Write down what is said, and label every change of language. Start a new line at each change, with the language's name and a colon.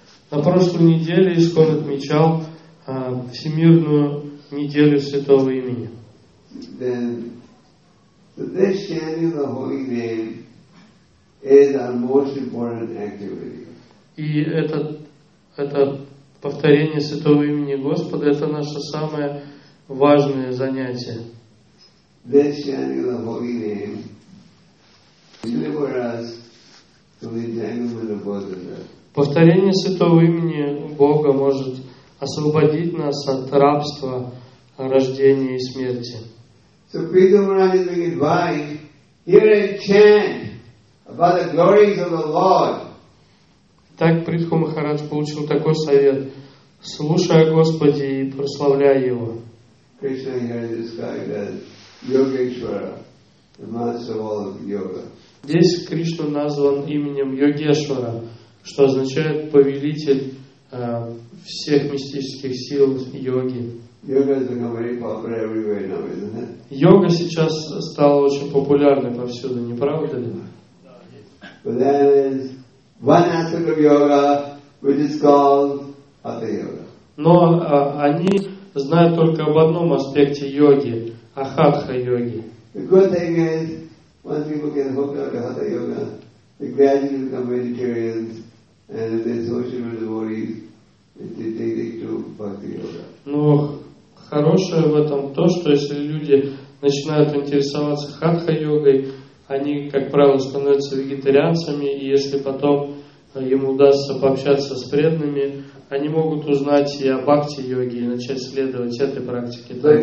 Russian: На прошлой неделе Искон отмечал Всемирную неделю святого имени.
English: So this chanting of the holy name is our most important activity.
Russian: И это повторение святого имени Господа это наше самое важное занятие.
English: This chanting of the holy name deliver us from the entanglement of bodhisattva.
Russian: Повторение святого имени Бога может освободить нас от рабства, рождения и смерти.
English: So Prithu Maharaj is being advised, hear and chant about the glories of the Lord.
Russian: Так Прихва Махарадж получил такой совет. Слушай о Господе и прославляй Его.
English: Krishna here is described as Yogeshwara, the master of all of yoga.
Russian: Здесь Кришна назван именем Йогешвара, что означает повелитель всех мистических сил йоги.
English: Yoga is becoming very popular everywhere now, isn't it?
Russian: Йога сейчас стала очень популярной повсюду, не правда ли?
English: But that is one aspect of yoga, which is called Hatha yoga.
Russian: Но они знают только об одном аспекте йоги, о хатха йоге.
English: The good thing is, once people get hooked up to Hatha yoga, they gradually become vegetarians, and if they're social with devotees, they take it to Bhakti yoga.
Russian: Но хорошее в этом то, что если люди начинают интересоваться хатха-йогой, они, как правило, становятся вегетарианцами, и если потом им удастся пообщаться с преданными, они могут узнать и о бхакти-йоге, и начать следовать этой практике.